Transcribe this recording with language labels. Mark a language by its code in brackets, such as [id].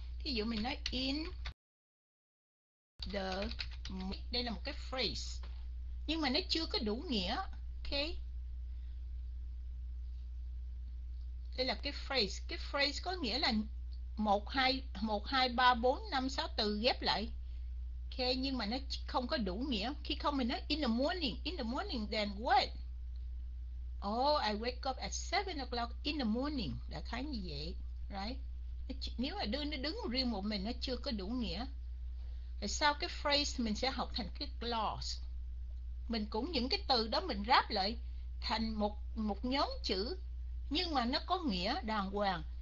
[vi] Ví dụ mình nói [en] in the, [vi] đây là một cái phrase nhưng mà nó chưa có đủ nghĩa. Ok, đây là cái phrase. Cái phrase có nghĩa là một hai ba bốn năm sáu từ ghép lại. Ok, nhưng mà nó không có đủ nghĩa. Khi không mình nói [en] in the morning then what? Oh, I wake up at 7 o'clock in the morning. [vi] Đã khá như vậy, right? Nếu mà đưa nó đứng riêng một mình nó chưa có đủ nghĩa. Sau cái phrase mình sẽ học thành cái clause. Mình cũng những cái từ đó mình ráp lại thành một một nhóm chữ nhưng mà nó có nghĩa đàng hoàng.